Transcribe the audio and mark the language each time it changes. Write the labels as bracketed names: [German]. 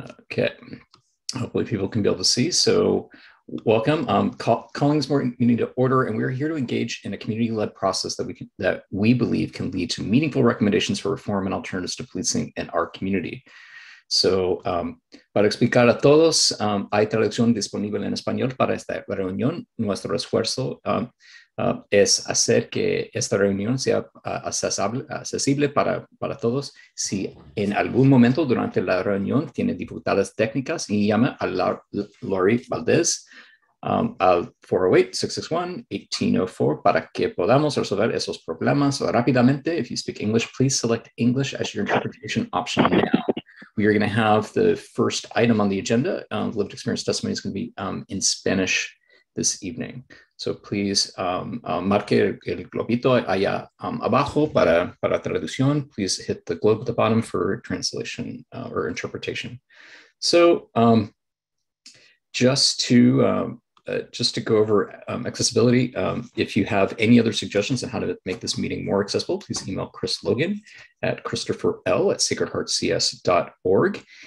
[English] Okay. Hopefully people can be able to see. So welcome. Calling this meeting to order, and we're here to engage in a community-led process that we believe can lead to meaningful recommendations for reform and alternatives to policing in our community. [Spanish] So, para explicar a todos, hay traducción disponible en español para esta reunión. Nuestro esfuerzo es hacer que esta reunión sea accesible para todos. Si en algún momento durante la reunión tiene dificultades técnicas, y llama a Lori Valdez al 408-661-1804 para que podamos resolver esos problemas rápidamente. [English] If you speak English, please select English as your interpretation option now. We are going to have the first item on the agenda. Lived experience testimony is going to be in Spanish this evening. So please [Spanish] marque el globito allá abajo para traducción. [English] Please hit the globe at the bottom for translation or interpretation. So just to go over accessibility, if you have any other suggestions on how to make this meeting more accessible, please email Chris Logan at christopherl@sacredheartcs.org.